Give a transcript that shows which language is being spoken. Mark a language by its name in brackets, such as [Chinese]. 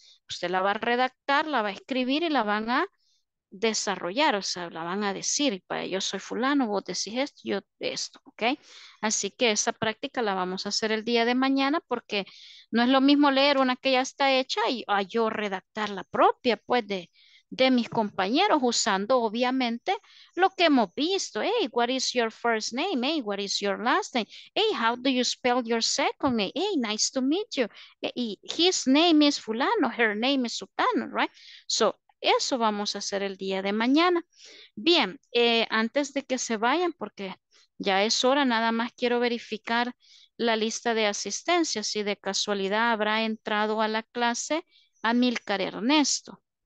[Spanish] Usted la va a redactar, la va a escribir y la van a desarrollar, o sea, la van a decir, yo soy fulano, vos decís esto, yo esto, ¿ok? Así que esa práctica la vamos a hacer el día de mañana, porque no es lo mismo leer una que ya está hecha y a yo redactar la propia, pues, de mis compañeros, usando obviamente lo que hemos visto. [English] Hey, what is your first name? Hey, what is your last name? Hey, how do you spell your second name? Hey, nice to meet you. Hey, his name is fulano, her name is sutano, right? [Spanish] So, eso vamos a hacer el día de mañana. Bien, antes de que se vayan, porque ya es hora, nada más quiero verificar la lista de asistencia, si de casualidad habrá entrado a la clase Amílcar Ernesto.